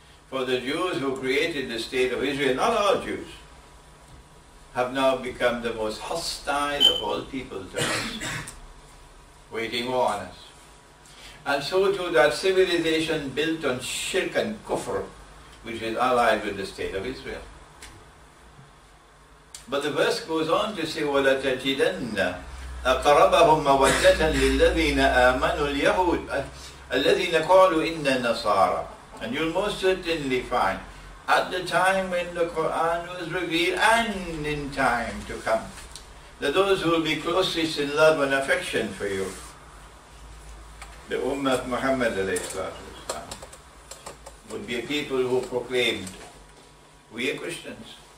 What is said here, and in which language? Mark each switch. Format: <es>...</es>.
<en>For the Jews who created the state of Israel, not all Jews, have now become the most hostile of all people to us, waging war on us. And so too that civilization built on shirk and kufr which is allied with the state of Israel. But the verse goes on to say,</en> <ar>وَلَتَجِدَنَّ أَقْرَبَهُمْ مَوَدَّةً لِلَّذِينَ آمَنُوا الْيَهُودِ الَّذِينَ قَالُوا إِنَّا نَصَارَى.</ar> <en>And you'll most certainly find, at the time when the Quran was revealed and in time to come, that those who will be closest in love and affection for you, the Ummah of Muhammad alayhi salatu wasalam, would be a people who proclaimed, we are Christians.</en>